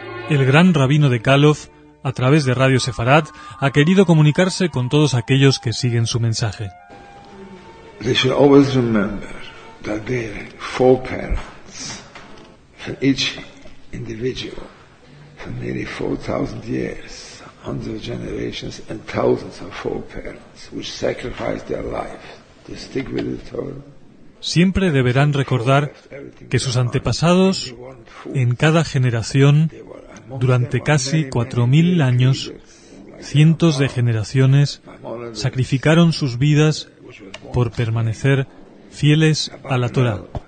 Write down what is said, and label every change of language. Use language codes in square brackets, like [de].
[es] El gran rabino de Kalov, a través de Radio Sefarad, ha querido comunicarse con todos aquellos que siguen su mensaje. [en] They should always remember that their foreparents, for each individual, for nearly 4,000 years, hundreds of generations and thousands of foreparents, which sacrificed their life to stick with the Torah. [es] Siempre deberán recordar que sus antepasados, en cada generación, durante casi 4.000 años, cientos de generaciones sacrificaron sus vidas por permanecer fieles a la Torá.